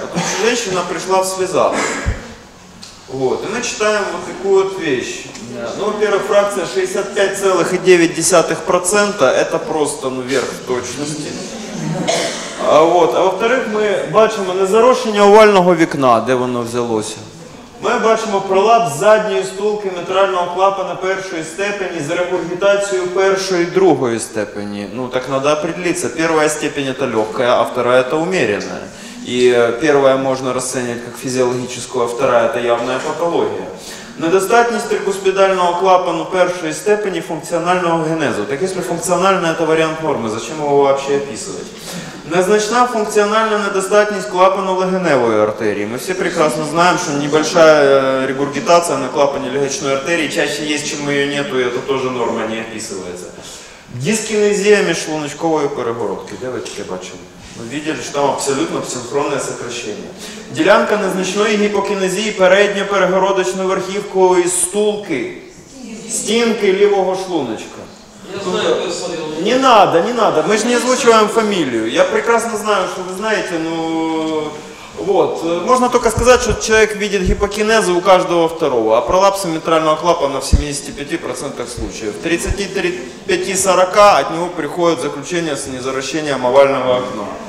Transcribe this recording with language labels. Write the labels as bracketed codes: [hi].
[ru] Потому что женщина пришла в слезах. Вот. И мы читаем вот такую вот вещь. Ну, во-первых, фракция 65,9% это просто верх точности. А во-вторых, мы [uk] бачимо незарощення овального вікна, де воно взялося. Ми бачимо пролапс задньої стулки метрального клапана першої степені з регургітацією першої і другої степені. Ну так треба определитися. Перша степень – це легка, а друга – це умерена. І перша можна розцінювати як фізіологічну, а друга – це явна патологія. Недостатність трикуспідального клапану першої степені функціонального генезу. Так якщо функціонально – це варіант норми, зачем його взагалі описувати? Незначна функциональна недостатність клапану легеневої артерії. Ми всі прекрасно знаємо, що небольша регургітація на клапані легечної артерії чаще є, чим її немає, і це теж норма не описується. Дискінезія міжшлуночкової перегородки. Де ви таке бачили? Ви бачили, що там абсолютно синхронне сокращення. Ділянка незначної гіпокінезії передньоперегородочно-верхівкової стулки, стінки лівого шлуночка. [ru] Не надо, не надо. Мы же не озвучиваем фамилию. Я прекрасно знаю, что вы знаете, но... Вот. Можно только сказать, что человек видит гипокинезы у каждого второго, а пролапсы митрального клапана в 75% случаев. В 35-40 от него приходит заключение с незаращением овального окна.